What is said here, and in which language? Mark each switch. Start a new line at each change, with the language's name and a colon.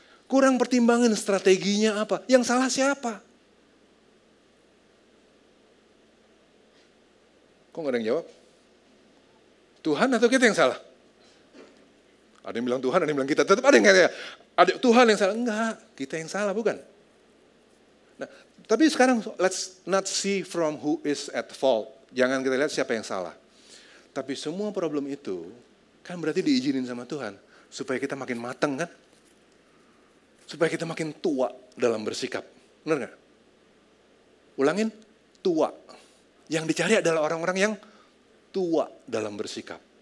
Indonesian: Kurang pertimbangin strateginya apa. Yang salah siapa? Kok gak ada yang jawab? Tuhan atau kita yang salah? Ada yang bilang Tuhan, ada yang bilang kita. Tetap ada yang kayaknya. Ada Tuhan yang salah. Enggak, kita yang salah bukan. Nah, tapi sekarang
English: let's not see from who is at fault.
Indonesian: Jangan kita lihat siapa yang salah. Tapi semua problem itu kan berarti diizinin sama Tuhan supaya kita makin matang kan? Supaya kita makin tua dalam bersikap. Benar enggak? Ulangin, tua. Yang dicari adalah orang-orang yang tua dalam bersikap.